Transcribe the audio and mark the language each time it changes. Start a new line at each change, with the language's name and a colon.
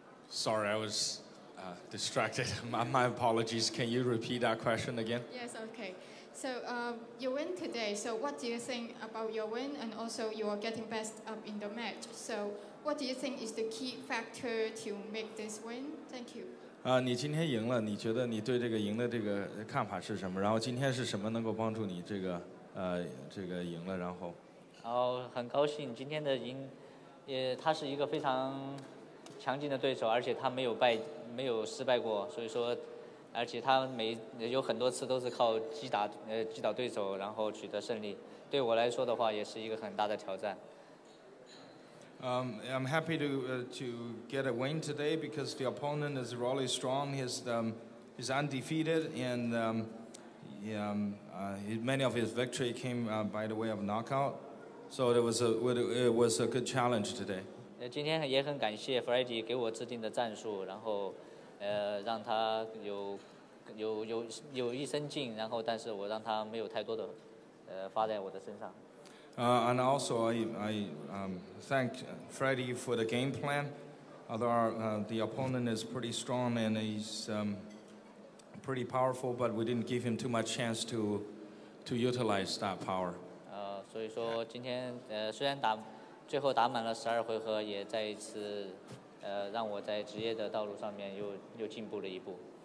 English: Sorry, I was distracted. My apologies. Can you repeat that question again? Yes, okay. So you win today, so what do you think about your win? And also, you are getting best up in the match. So what do you think is the key factor to make this win? Thank you.
Chinese: 你今天赢了，你觉得你对这个赢的这个看法是什么？然后今天是什么能够帮助你这个这个赢了？然后，很高兴今天的赢，也他是一个非常强劲的对手，而且他没有失败过，所以说，而且他有很多次都是靠击倒对手，然后取得胜利。对我来说的话，也是一个很大的挑战。
English: I'm happy to get a win today because the opponent is really strong. He's undefeated, and many of his victory came by the way of knockout. So it was a good challenge today.
Chinese: 今天也很感谢 Freddy 给我制定的战术，然后让他有一身劲，然后但是我让他没有太多的发在我的身上。
English: And also, I thank Freddy for the game plan. Although the opponent is pretty strong and he's pretty powerful, but we didn't give him too much chance to utilize that power.
Chinese: 所以说今天虽然最后打满了十二回合，也再一次让我在职业的道路上面又进步了一步。